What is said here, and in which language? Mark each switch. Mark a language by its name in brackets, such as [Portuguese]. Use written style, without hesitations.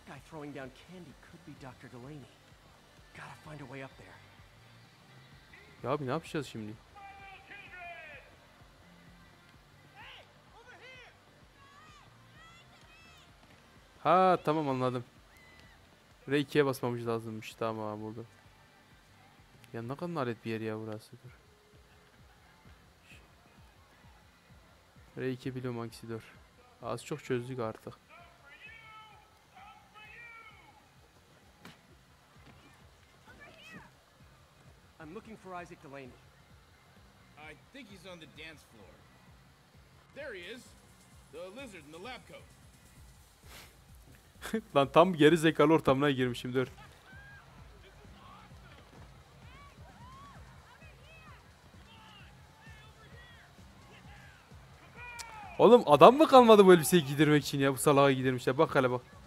[English] Throwing down candy could be Dr. Delaney. Gotta find a way up there. [Turkish] Ya abi ne yapacağız şimdi? Ha tamam, anladım. R2'ye basmamış lazımmış, tamam buldu. Ya ne kadar nalet bir yer ya burası, dur. R2 biliyorum hangisi, dur. Az çok çözdük artık. [English] I'm looking for Isaac Delaney. I think he's on the dance floor. There he is. The lizard in the lab coat. [Turkish] Lan tam geri zekalı ortamına girmişim, dur. Oğlum adam mı kalmadı bu elbiseyi giydirmek için ya? Bu salağa giydirmişler. Bak hele bak.